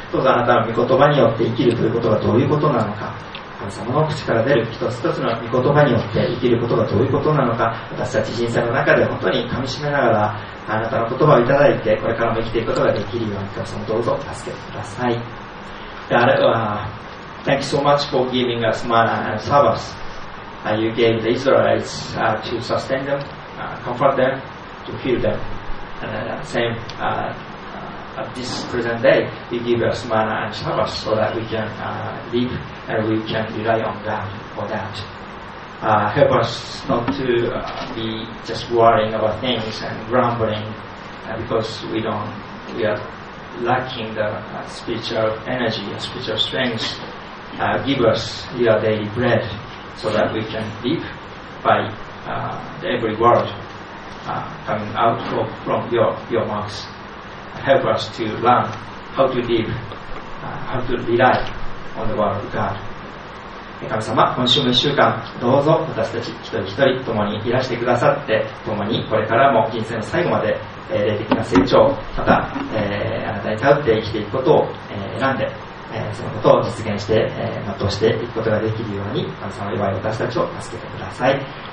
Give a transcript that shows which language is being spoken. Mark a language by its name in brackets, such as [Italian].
[Japanese] どうぞあなたの御言葉によって生きるということがどういうことなのか、神様の口から出る一つ一つの御言葉によって生きることがどういうことなのか、私たち人生の中で本当に噛みしめながらあなたの言葉をいただいて、これからも生きていくことができるように、神様どうぞ助けてください。 [English] Thank you so much for giving us manna and sabbaths. You gave the Israelites to sustain them, comfort them, to feel themAt this present day, we give us manna and Shabbos so that we can live and we can rely on God for that. Help us not to be just worrying about things and grumbling because we are lacking the spiritual energy, spiritual strength. Give us your daily bread so that we can live by every word. Coming out from your mouth. Help us to learn how to live, how to rely on the word of God. [Japanese] 神様、今週も1週間どうぞ私たち一人一人ともにいらしてくださって、共にこれからも人生の最後まで、霊的な成長、また、あなたに頼って生きていくことを、選んで、そのことを実現して、全うしていくことができるように、神様の弱い私たちを助けてください。